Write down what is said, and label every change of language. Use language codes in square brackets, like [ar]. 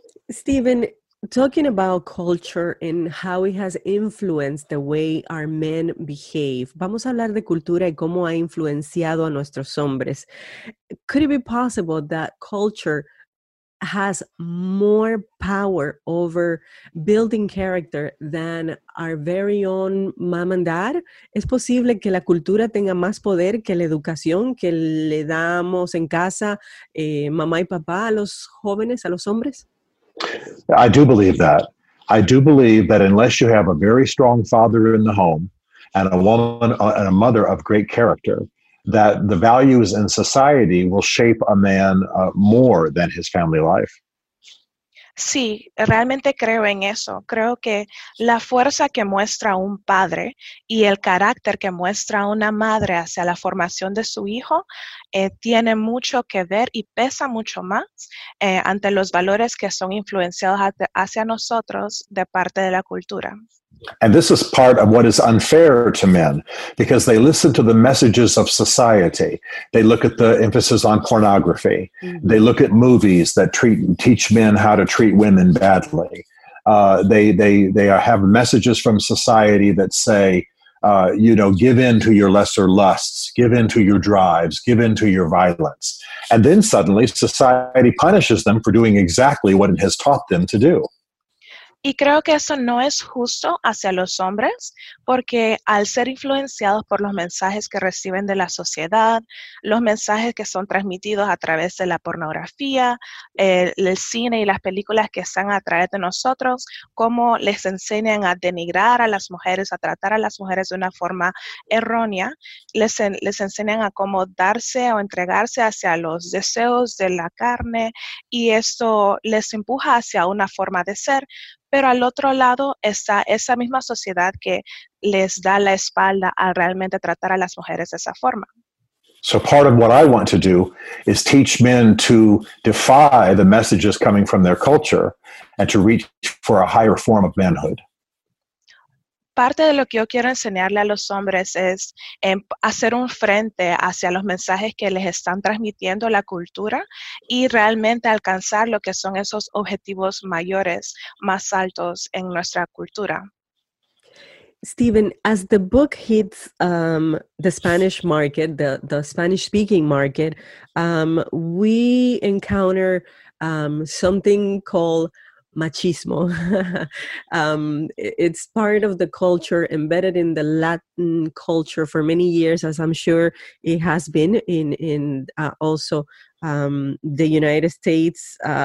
[en] Steven, talking about culture and how it has influenced the way our men behave. [es] Vamos a hablar de cultura y cómo ha influenciado a nuestros hombres. [en] Could it be possible that culture has more power over building character than our very own mom and dad? [es] ¿Es posible que la cultura tenga más poder que la educación que le damos en casa, mamá y papá, a los jóvenes, a los hombres? [en] I do believe that. I do believe that unless you have a very strong father in the home and a woman and a mother of great character, that the values in society will shape a man more than his family life. [es] Sí, realmente creo en eso. Creo que la fuerza que muestra un padre y el carácter que muestra una madre hacia la formación de su hijo tiene mucho que ver y pesa mucho más ante los valores que son influenciados hacia nosotros de parte de la cultura. [en] And this is part of what is unfair to men, because they listen to the messages of society. They look at the emphasis on pornography. They look at movies that teach men how to treat women badly. They have messages from society that say, you know, give in to your lesser lusts, give in to your drives, give in to your violence. And then suddenly society punishes them for doing exactly what it has taught them to do. [es] Y creo que eso no es justo hacia los hombres, porque al ser influenciados por los mensajes que reciben de la sociedad, los mensajes que son transmitidos a través de la pornografía, el cine y las películas que están a través de nosotros, cómo les enseñan a denigrar a las mujeres, a tratar a las mujeres de una forma errónea, les enseñan a cómo darse o entregarse hacia los deseos de la carne, y esto les empuja hacia una forma de ser. Pero al otro lado está esa misma sociedad que les da la espalda al realmente tratar a las mujeres de esa forma. [en] So part of what I want to do is teach men to defy the messages coming from their culture and to reach for a higher form of manhood. [es] Parte de lo que yo quiero enseñarle a los hombres es hacer un frente hacia los mensajes que les están transmitiendo la cultura y realmente alcanzar lo que son esos objetivos mayores, más altos en nuestra cultura. [en] Stephen, as the book hits the Spanish market, the Spanish-speaking market, we encounter something called machismo. It's part of the culture embedded in the Latin culture for many years, as I'm sure it has been in the United States.